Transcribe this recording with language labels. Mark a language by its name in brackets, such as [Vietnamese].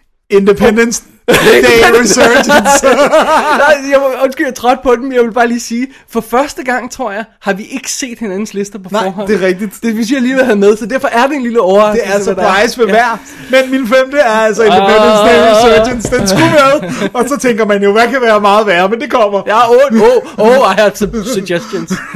[English] Independence Day Resurgence. [Danish] Undskyld, jeg er træt på den, men jeg vil bare lige sige, for første gang, tror jeg, har vi ikke set hinandens lister på forhånd. Nej, det er rigtigt. Det vil sige, jeg lige vil have med, så derfor er det en lille overraskelse. Det er altså surprise ved hver. Men min femte er altså Independence Day Resurgence. Den skulle være. Og så tænker man jo, hvad kan være meget værre, men det kommer. [English] Ja, oh, I have some suggestions.